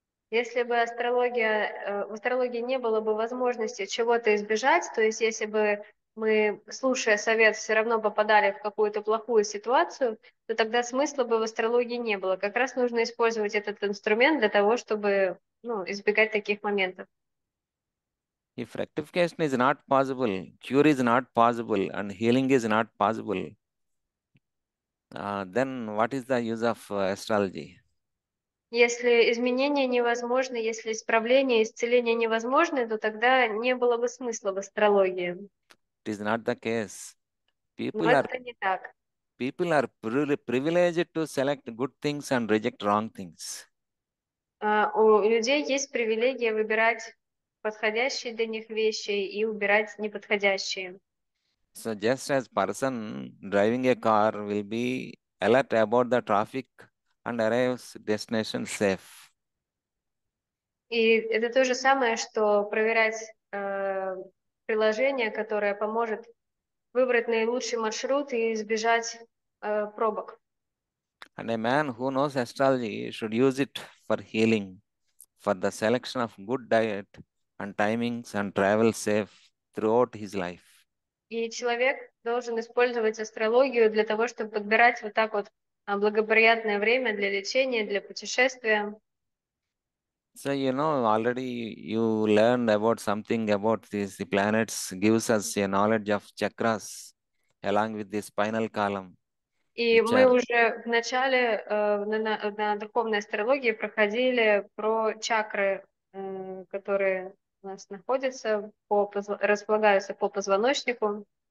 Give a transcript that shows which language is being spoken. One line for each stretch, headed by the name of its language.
Russian: Если бы в астрологии не было бы возможности чего-то избежать, то есть если бы мы, слушая совет, все равно попадали в какую-то плохую ситуацию, то тогда смысла бы в астрологии не было. Как раз нужно использовать этот инструмент для того, чтобы, ну, избегать таких моментов.
English: If rectification is not possible, cure is not possible, and healing is not possible, then what is the use of astrology?
Russian: Если изменения невозможны, если исправление, исцеление невозможны, то тогда не было бы смысла в астрологии.
English: It is not the case.
Russian: Но это не так.
English: People are privileged to select good things and reject wrong things.
Russian: У людей есть привилегия выбирать подходящие для них вещи и убирать неподходящие.
English: So just as person driving a car will be alert about the traffic and arrives destination safe.
Russian: И это то же самое, что проверять приложение, которое поможет выбрать наилучший маршрут и избежать пробок.
English: And a man who knows astrology should use it for healing, for the selection of good diet and timings and travel safe throughout his life.
Russian: И человек должен использовать астрологию для того, чтобы подбирать вот так вот благоприятное время для лечения, для путешествия.
English: So, you know, already you learned about something about this. The planets gives us a knowledge of chakras along with the spinal column.
Russian: И мы уже в начале на духовной астрологии проходили про чакры, которые у нас находятся, располагаются по позвоночнику.